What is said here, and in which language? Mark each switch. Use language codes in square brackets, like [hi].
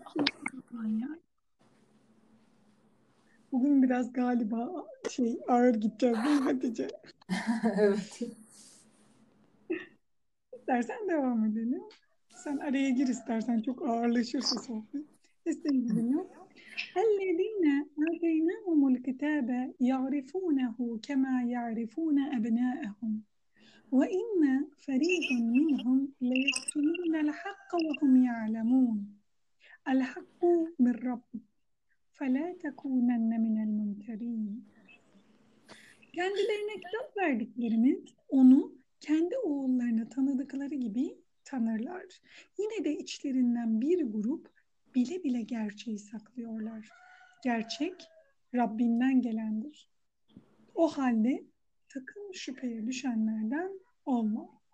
[tr] Allah'ım ya. Bugün biraz galiba şey ağır gideceğiz değil mi Hatice? Evet. İstersen devam edelim. Sen araya gir istersen, çok ağırlaşırsa sohbet. Estağfirullah. [ar] الذين آتيناهم الكتاب يعرفونه كما يعرفون أبناءهم وإن فريقا منهم ليكتمون الحق وهم يعلمون الحق من ربك فلا تكونن من الممترين. [tr] Kendilerine kitap verdiklerimiz onu kendi oğullarını tanıdıkları gibi tanırlar. Yine de içlerinden bir grup bile bile gerçeği saklıyorlar. Gerçek Rabbinden gelendir. O halde sakın şüpheye düşenlerden olma.